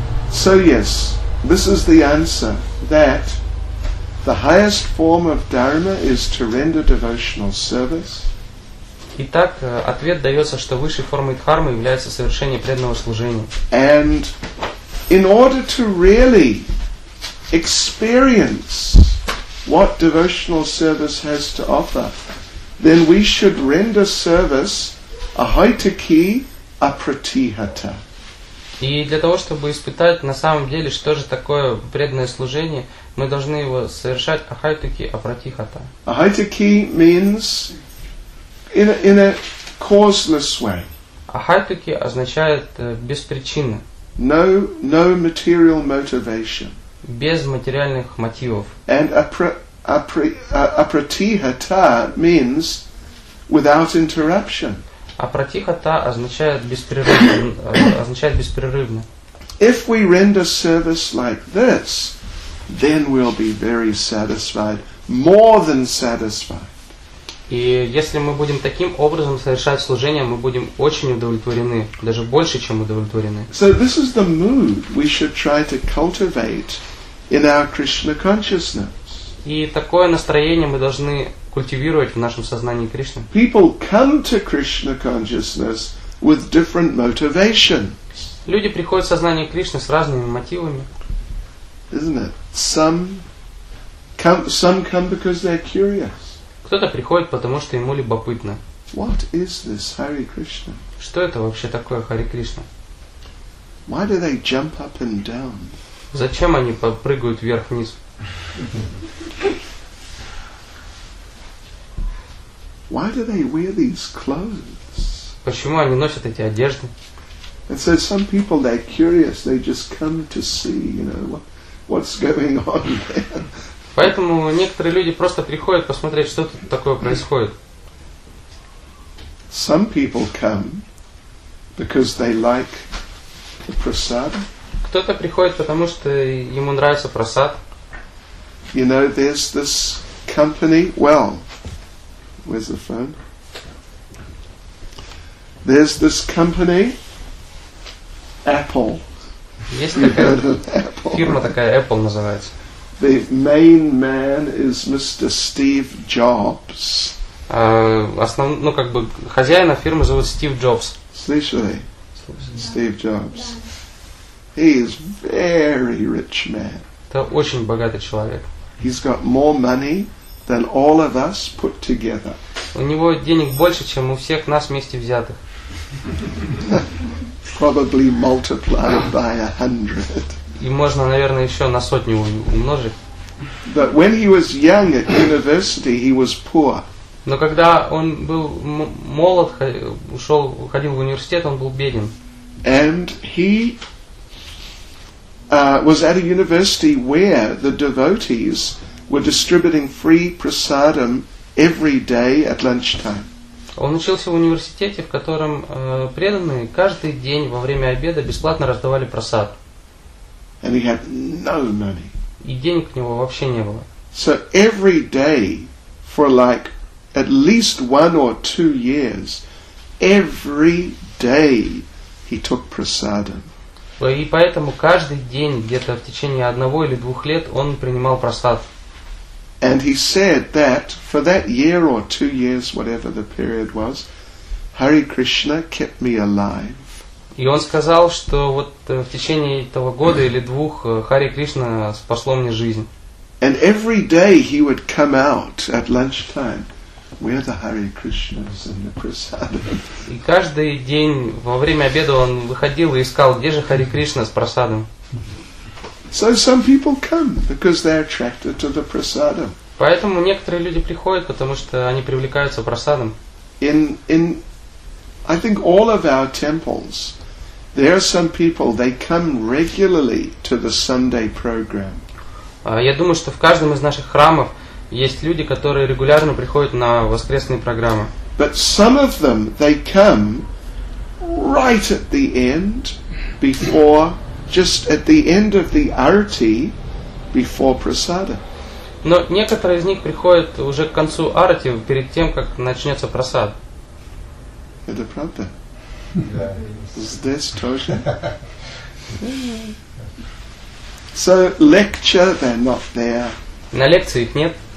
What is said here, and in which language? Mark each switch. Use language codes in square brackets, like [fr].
[en] So yes, this is the answer, that the highest form of dharma is to render devotional service. [ru] Итак, ответ дается, что высшей формой дхармы является совершение преданного служения. [en] And in order to really experience what devotional service has to offer, then we should render service ahaitaki apratihata. [ru] И для того, чтобы испытать на самом деле, что же такое преданное служение, мы должны его совершать ahaitaki apratihata. [en] Ahaitaki means in a causeless way. [ru] Ahaitaki означает без причины. [en] No material motivation. [ru] Без материальных мотивов. [en] And apratihata means without interruption. [ru] Апратихата означает беспрерывно. [en] If we render service like this, then we'll be very satisfied, more than satisfied. [ru] И если мы будем таким образом совершать служение, мы будем очень удовлетворены, даже больше, чем удовлетворены. [en] So this is the mood we should try to cultivate in our Krishna consciousness. [ru] И такое настроение мы должны культивировать в нашем сознании Кришны. [en] People come to Krishna consciousness with different motivations. [ru] Люди приходят в сознание Кришны с разными мотивами. [en] Isn't it? Some come because they're curious. [ru] Кто-то приходит, потому что ему любопытно. [en] What is this Hare Krishna? [ru] Что это вообще такое Hare Krishna? [en] Why do they jump up and down? [ru] Зачем они прыгают вверх-вниз? [en] Why do they wear these clothes? [ru] Почему они носят эти одежды? [en] And so some people, they're curious, they just come to see, you know, what's going on there. [ru] Поэтому некоторые люди просто приходят посмотреть, что тут такое происходит. [en] Some people come because they like the prasad. [ru] Кто-то приходит потому что ему нравится просад. [en] You know, there's this company. Well, where's the phone? There's this company, Apple. [ru] Есть такая фирма, такая Apple называется. [en] The main man is Mr. Steve Jobs. [ru] Основной, ну как бы хозяина фирмы зовут Стив Джобс. Слышали? Стив Джобс. [en] He is very rich man. [ru] Это очень богатый человек. [en] He's got more money than all of us put together. [ru] У него денег больше, чем у всех нас вместе взятых. [en] Probably multiplied by 100. [ru] И можно, наверное, еще на сотню умножить. [en] But when he was young at university, he was poor. [ru] Но когда он был молод, ушел, ходил в университет, он был беден. [en] And he was at a university where the devotees were distributing free prasadam every day at lunchtime. [ru] Он учился в университете, в котором преданные каждый день во время обеда бесплатно раздавали просад. [en] And he had no money. [ru] И денег у него вообще не было. [en] So every day for like at least one or two years, every day he took prasadam. [ru] И поэтому каждый день, где-то в течение одного или двух лет, он принимал просад. [en] And he said that for that year or two years, whatever the period was, Hare Krishna kept me alive. [ru] И он сказал, что вот в течение этого года или двух Хари Кришна спасло мне жизнь. [en] And every day he would come out at lunchtime. Where the Hare Krishnas and the prasadam. [ru] И каждый день во время обеда он выходил и искал, где же Хари Кришна с прасадом. [en] So some people come because they're attracted to the prasadam. [ru] Поэтому некоторые люди приходят, потому что они привлекаются прасадом. [en] In I think all of our temples, there are some people, they come regularly to the Sunday program. [ru] Я думаю, что в каждом из наших храмов есть люди, которые регулярно приходят на воскресные программы. [en] But some of them, they come right at the end, before, just at the end of the arati, before prasada. [ru] Но некоторые из них приходят уже к концу арати, перед тем, как начнется прасад. Это правда? Здесь тоже? [en] So, lecture, they're not there. [ru] На лекции их нет.